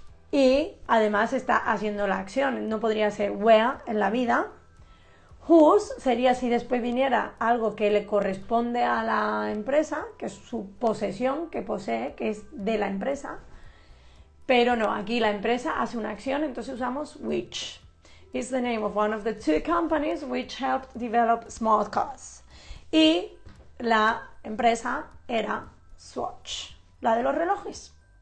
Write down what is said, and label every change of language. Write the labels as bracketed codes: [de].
[es] Y además está haciendo la acción. No podría ser where en la vida. Whose sería si después viniera algo que le corresponde a la empresa, que es su posesión, que posee, que es de la empresa. Pero no, aquí la empresa hace una acción, entonces usamos which. [en] It's the name of one of the two companies which helped develop smart cars. [es] Y la empresa era Swatch, la de los relojes.